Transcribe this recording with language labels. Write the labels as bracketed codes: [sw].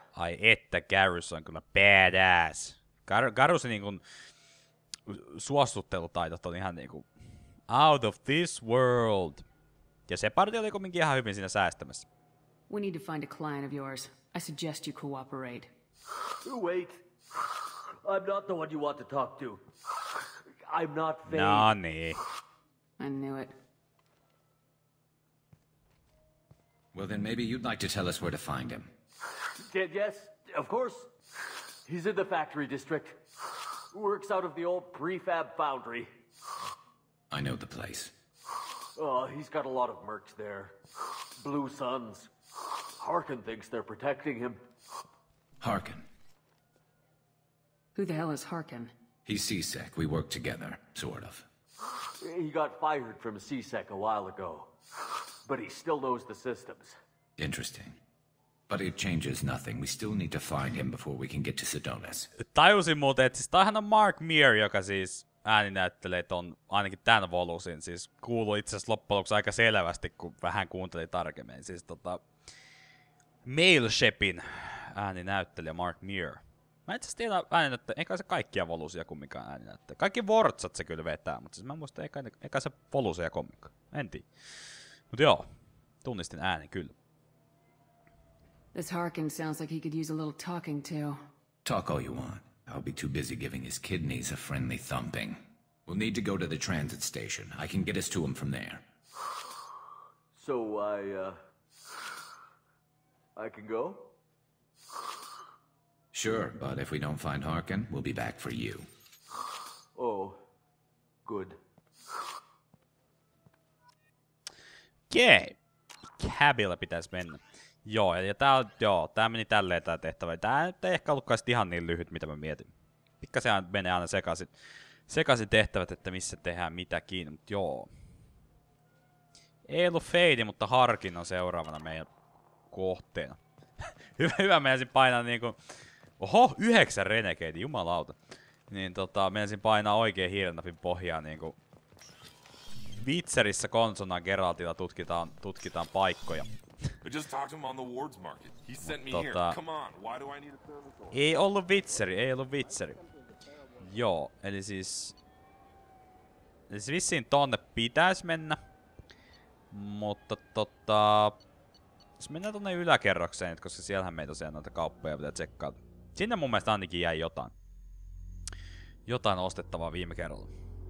[fi] Ai että, Garrus on kyllä badass. Garrusin niinku... suostuttelutaidot on ihan niinku... [en] Out of this world! [fi] Ja se partio oli kumminkin ihan hyvin siinä säästämässä. [en] We need to find a client of yours. I suggest you cooperate. Wait! I'm not the one you want to talk to. I'm not Fade. No, nee. I knew it. Well, then maybe you'd like to tell us where to find him. Yes, of course. He's in the factory district. Works out of the old prefab foundry. I know the place. Oh, he's got a lot of mercs there. Blue Suns. Harkin thinks they're protecting him. Harkin. Who the hell is Harkin? He's C-Sec. We work together, sort of. He got fired from C-Sec a while ago. But he still knows the systems. Interesting. But it changes nothing. We still need to find him before we can get to Sidonis. [fi] Tajusin muuten, että siis tämähän on Mark Meer, joka siis ääninäyttelee ton, ainakin tän volusin. Siis kuului itse asiassa loppujen lopuksi aika selvästi, kun vähän kuuntelin tarkemmin. Siis tota, Mail Shepin ääninäyttelijä Mark Meer. Mä itse asiassa tiedän ääninäyttelijä, eikä se kaikkia volusia kumminkaan ääninäyttelijä. Kaikki vortsat se kyllä vetää, mutta siis mä muistan, eikä se volusia kumminkaan. En tiedä. Mut joo, tunnistin äänen kyllä. [en] This Harkin sounds like he could use a little talking to. Talk all you want. I'll be too busy giving his kidneys a friendly thumping. We'll need to go to the transit station. I can get us to him from there. So I can go? Sure, but if we don't find Harkin, we'll be back for you. Oh, good. [fi] Okay. Cabilla pitäis mennä. Joo, ja tää meni tälleen tää tehtävä. Tää ei ehkä ollutkaan sit ihan niin lyhyt, mitä mä mietin. Pikkasen menee aina sekaisin tehtävät, että missä tehdään mitäkin, mut joo. Ei ollut feidi, mutta Harkin on seuraavana meidän kohteena. Hyvä, meinsin painaa niinku... Oho, 9 renegade, jumalauta. Niin tota, meinsin painaa oikein hiilinapin pohjaa niinku... Witcherissä konsonaan Geraltilla tutkitaan paikkoja. [en] I just talked to him on the wards market. He sent me tota, here. Come on, why do I need a thermal? [fi] Ei ollut vitseri, ei ollut vitseri. Joo, eli siis... Eli siis vissiin tonne pitäis mennä. Mutta tota... Jos mennään tonne yläkerrokseen, koska siellähän meitä tosiaan näitä kauppoja pitää tsekkaata. Sinne mun mielestä ainakin jäi jotain. Jotain ostettavaa viime kerralla.